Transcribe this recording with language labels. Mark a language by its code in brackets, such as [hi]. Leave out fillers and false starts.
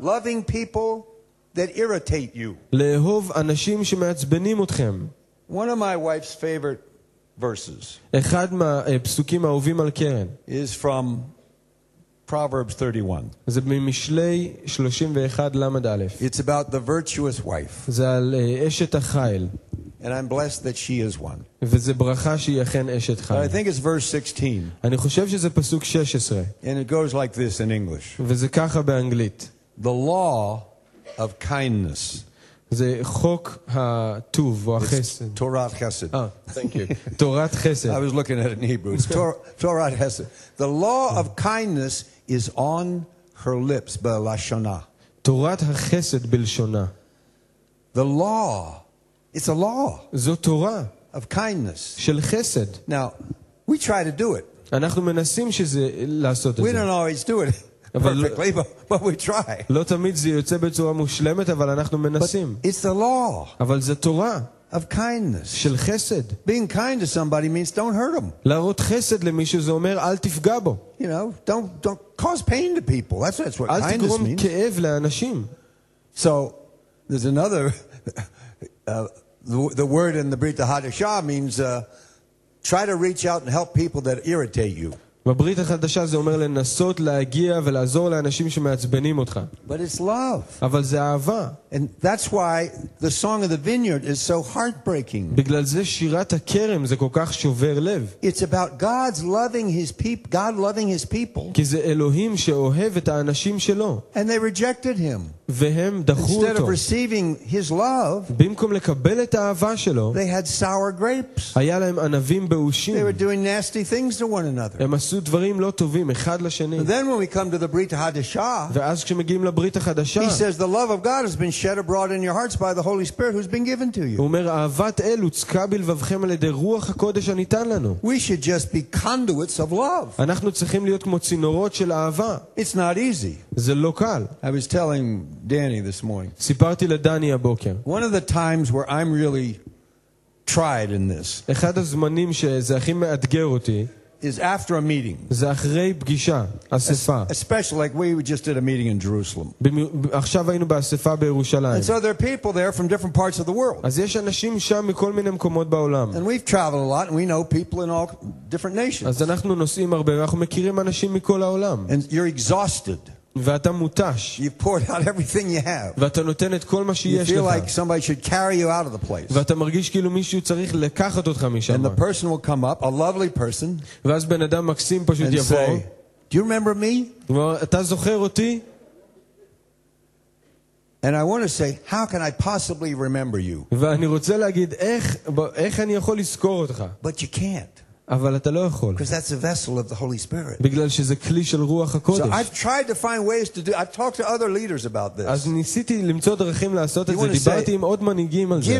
[en] Loving people that irritate you. [he] לאהוב אנשים שמעצבנים אתכם. [en] One of my wife's favorite verses. [he] אחד מהפסוקים האהובים על קרן. [en] Is from Proverbs 31. [he] זה ממשלי 31 למד א'. [en] It's about the virtuous wife. [he] זה על אשת החיל. [en] And I'm blessed that she is one. [he] וזה ברכה שהיא אכן אשת חיל. [en] I think it's verse 16. [he] אני חושב שזה פסוק 16. [en] And it goes like this in English. [he] וזה ככה באנגלית. [en] The law of kindness. [he] זה חוק הטוב או החסד. תורת חסד. [en] Thank you. [he] תורת חסד. [en] I was looking at it in Hebrew. It's [he] תורת חסד. [en] The law of kindness is on her lips [he] בלשונה. תורת החסד בלשונה. [en] The law. It's a law of kindness. [he] של חסד. [en] Now, we try to do it. [he] אנחנו מנסים שזה לעשות את זה. [en] We don't always do it perfectly, but we try. [he] לא תמיד זה יוצא בצורה מושלמת, אבל אנחנו מנסים. [en] But it's a law. [he] אבל זה תורה. [en] Of kindness. [he] של חסד. [en] Being kind to somebody means don't hurt them. [he] להראות חסד למישהו זה אומר אל תפגע בו. [en] You know, don't cause pain to people. That's what kindness means. [he] אל תגרום כאב לאנשים. [en] So, there's another... the word in the Brit Hadashah means try to reach out and help people that irritate you. [he] בברית החדשה זה אומר לנסות להגיע ולעזור לאנשים שמעצבנים אותך. [en] But it's love. [he] אבל זה אהבה. [en] And that's why the song of the vineyard is so heartbreaking. [he] בגלל זה שירת הכרם זה כל כך שובר לב. [en] It's about God's loving his people. God loving his people. [he] כי זה אלוהים שאוהב את האנשים שלו. [en] And they rejected him. [he] והם דחו אותו. [en] Instead of receiving his love. [he] במקום לקבל את האהבה שלו. [en] They had sour grapes. [he] היה להם ענבים באושים. [en] They were doing nasty things to one another. [he] עשו דברים לא טובים אחד לשני. [en] Then when we come to the Brit Hadashah, [he] ואז כשמגיעים לברית החדשה, [en] he says the love of God has been shed abroad in your hearts by the Holy Spirit who's been given to you. [he] הוא אומר אהבת אל הוצקה בלבבכם על ידי רוח הקודש הניתן לנו. [en] We should just be conduits of love. [he] אנחנו צריכים להיות כמו צינורות של אהבה. [en] It's not easy. [he] זה לא קל. [en] I was telling Danny this morning. [he] סיפרתי לדני הבוקר. [en] One of the times where I'm really tried in this. [he] אחד הזמנים שזה הכי מאתגר אותי. [en] Is after a meeting. [he] זה אחרי פגישה, אספה. [en] Especially like we just did a meeting in Jerusalem. [he] עכשיו היינו באספה בירושלים. [en] And so there are people there from different parts of the world. [he] אז יש אנשים שם מכל מיני מקומות בעולם. [en] And we've traveled a lot and we know people in all different nations. [he] אז אנחנו נוסעים הרבה ואנחנו מכירים אנשים מכל העולם. [en] And you're exhausted. [he] ואתה מותש. [en] You've poured out everything you have. [he] ואתה נותן את כל מה שיש לך. [en] You feel like somebody should carry you out of the place. [he] ואתה מרגיש כאילו מישהו צריך לקחת אותך משם. [en] And the person will come up, a lovely person. [he] ואז בן אדם מקסים פשוט יבוא. [en] And say, "Do you remember me?" [he] אתה זוכר אותי? [en] And I want to say, "How can I possibly remember you?" [he] ואני רוצה להגיד איך אני יכול לזכור אותך? [en] But you can't. [he] אבל אתה לא יכול. [en] Because that's a vessel of the Holy Spirit. [he] בגלל שזה כלי של רוח הקודש. [en] So I've tried to find ways to do. I've talked to other leaders about this. [he] אז ניסיתי למצוא דרכים לעשות את זה. דיברתי עם עוד מנהיגים על זה.